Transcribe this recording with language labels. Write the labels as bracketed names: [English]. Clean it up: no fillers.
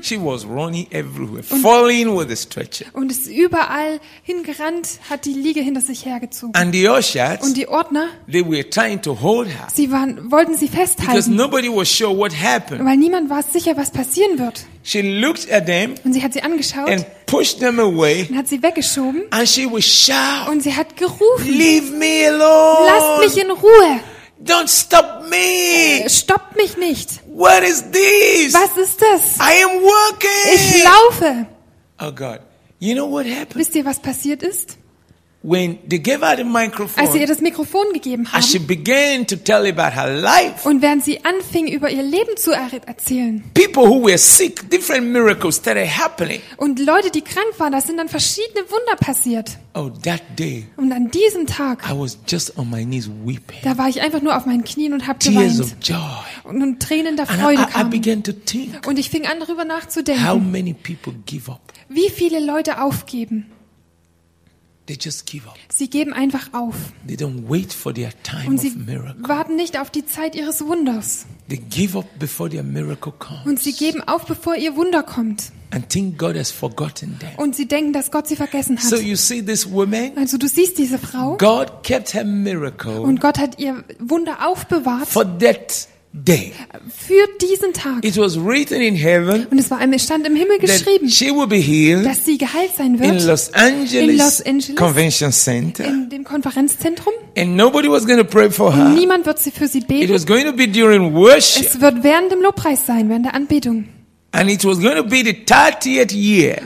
[English] She was running everywhere, falling with the stretcher. [German] Und ist überall hingerannt, hat die Liege hinter sich hergezogen. [English] And the ushers, [German] und die Ordner, [English] they were trying to hold her. [German] Sie wollten sie festhalten. [English] Because nobody was sure what happened. [German] Weil niemand war sicher, was passieren wird. [English] She looked at them [German] und sie hat sie angeschaut [English] and pushed them away [German] und hat sie weggeschoben. [English] And she was shouting. [German] Und sie hat gerufen. [English] Leave me alone. [German] Lasst mich in Ruhe. [English] Don't stop me. [German] Stoppt mich nicht. [English] What is this? [German] Was ist das? [English] I am working. [German] Ich laufe. [English] Oh God. You know what happened? [German] Wisst ihr, was passiert ist? [English] When they gave her the microphone, [German] als sie ihr das Mikrofon gegeben haben, [English] as she began to tell about her life, [German] und während sie anfing, über ihr Leben zu erzählen, [English] people who were sick, different miracles started happening. [German] Und Leute, die krank waren, da sind dann verschiedene Wunder passiert. [English] Oh, that day, [German] und an diesem Tag, [English] I was just on my knees weeping, [German] da war ich einfach nur auf meinen Knien und habe geweint. [English] Tears of joy. [German] und Tränen der Freude kamen. [English] I began to think, [German] und ich fing an, darüber nachzudenken, [English] how many people give up. [German] Wie viele Leute aufgeben. [English] They just give up. [German] Sie geben einfach auf. [English] They don't wait for their time [German] und sie [English] of miracle. [German] Warten nicht auf die Zeit ihres Wunders. [English] They give up before their miracle comes. [German] Und sie geben auf, bevor ihr Wunder kommt. [English] And think God has forgotten them. [German] Und sie denken, dass Gott sie vergessen hat. [English] So you see this woman, [German] also du siehst diese Frau. [English] God kept her miracle [German] und Gott hat ihr Wunder aufbewahrt. [English] For that day. [German] Für diesen Tag. [English] It was written in heaven, [German] und es war einem stand im Himmel geschrieben, [English] that she will be healed, [German] dass sie geheilt sein wird. [English] In Los Angeles, [German] Convention Center. In dem Konferenzzentrum. [English] And nobody was going to pray for her. [German] Und niemand wird sie für sie beten. [English] It was going to be during worship. [German] Es wird während dem Lobpreis sein, während der Anbetung. [English] And it was going to be the 30th year.